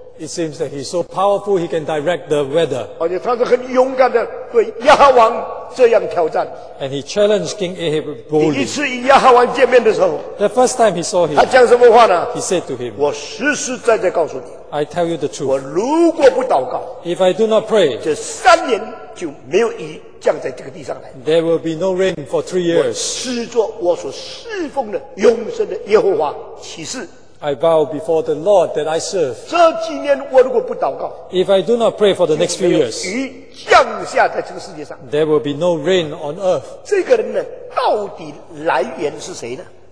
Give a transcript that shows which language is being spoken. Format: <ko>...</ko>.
<en>It seems that he's so powerful, he can direct the weather.</en> <zh>而且他是很勇敢的，对亚哈王这样挑战。</zh> <en>And he challenged King Ahab boldly.</en> <zh>第一次与亚哈王见面的时候，</zh> <en>the first time he saw him,</en> <zh>他讲什么话呢？</zh> <en>He said to him,</en> <zh>我实实在在告诉你，</zh> <en>I tell you the truth.</en> <zh>我如果不祷告，</zh> <en>if I do not pray,</en> <zh>这三年就没有雨降在这个地上来。</zh> <en>There will be no rain for 3 years.</en> <zh>我施作我所侍奉的永生的耶和华起誓。</zh> <en>I bow before the Lord that I serve.</en> <zh>这几年我如果不祷告，</zh> <en>if I do not pray for the next few years,</en> <zh>雨降下在这个世界上，</zh> <en>there will be no rain on earth.</en> <zh>这个人呢， 到底来源是谁呢？</zh>